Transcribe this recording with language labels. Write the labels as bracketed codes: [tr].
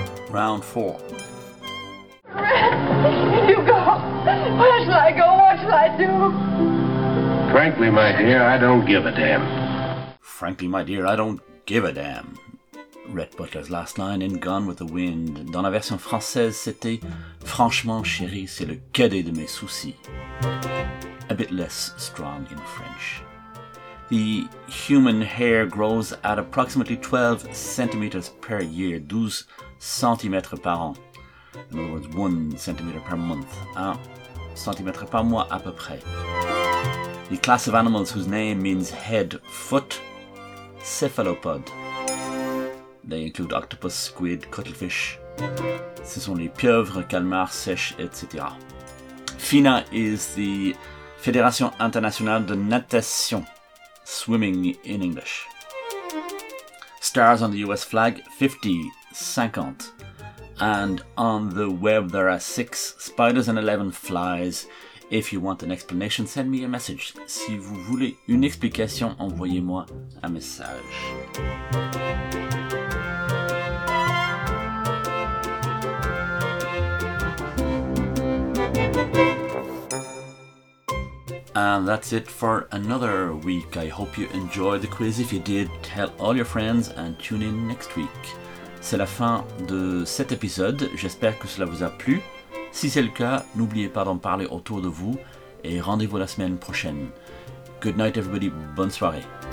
[en] Round 4. Red, you go. Where shall I go? What shall I do? Frankly, my dear, I don't give a damn. Rhett Butler's last line in Gone with the Wind. [fr] Dans la version française, c'était « Franchement, chérie, c'est le cadet de mes soucis. » [en] A bit less strong in French. The human hair grows at approximately 12 centimeters per year, [fr] 12 centimètres par an. [en] In other words, 1 centimeter per month, [fr] 1 centimètre par mois à peu près. [en] The class of animals whose name means head, foot, cephalopod. They include octopus, squid, cuttlefish. [fr] Ce sont les pieuvres, calmars, sèches, etc. [en] FINA is the Fédération Internationale de Natation. Swimming in English. Stars on the US flag, 50, 50. And on the web there are 6 spiders and 11 flies. If you want an explanation, send me a message. [fr] Si vous voulez une explication, envoyez-moi un message. [en] And that's it for another week. I hope you enjoyed the quiz. If you did, tell all your friends and tune in next week. [fr] C'est la fin de cet épisode. J'espère que cela vous a plu. Si c'est le cas, n'oubliez pas d'en parler autour de vous et rendez-vous la semaine prochaine. [en] Good night, everybody. [fr] Bonne soirée.